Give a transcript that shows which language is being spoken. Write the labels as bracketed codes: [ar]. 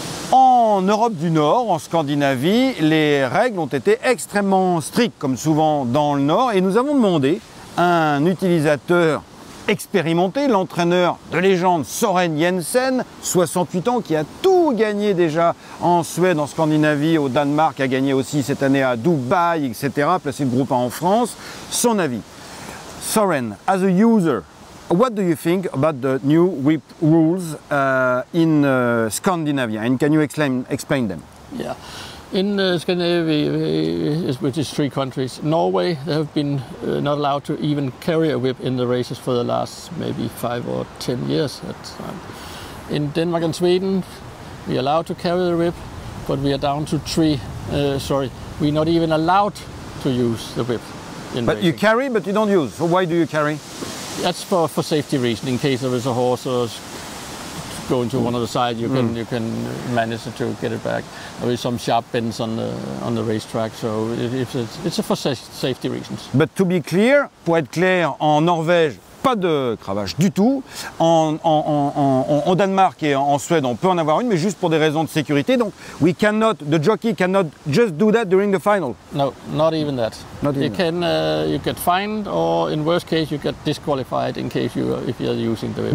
[fr] En Europe du Nord, en Scandinavie, les règles ont été extrêmement strictes, comme souvent dans le Nord, et nous avons demandé à un utilisateur expérimenté, l'entraîneur de légende Soren Jensen, 68 ans, qui a tout gagné déjà en Suède, en Scandinavie, au Danemark, a gagné aussi cette année à Dubaï, etc., placé le groupe 1 en France, son avis. [en] Soren, as a user, what do you think about the new whip rules in Scandinavia? And can you explain them? Yeah. In Scandinavia, which is three countries, Norway, they have been not allowed to even carry a whip in the races for the last maybe 5 or 10 years. In Denmark and Sweden, we are allowed to carry the whip, but we are down to three. We're not even allowed to use the whip. But you carry, but you don't use. So why do you carry? That's for safety reason. In case there is a horse or going to one of the sides, you can manage to get it back. There is some sharp bends on the racetrack, so it's for safety reasons. But to be clear, [fr] pour être clair, en Norvège, pas de cravache du tout. En Danemark et en Suède, on peut en avoir une, mais juste pour des raisons de sécurité. [en] Donc, we cannot, the jockey cannot just do that during the final. No, not even that. You get fined, or in worst case, you get disqualified in case if you are using the whip.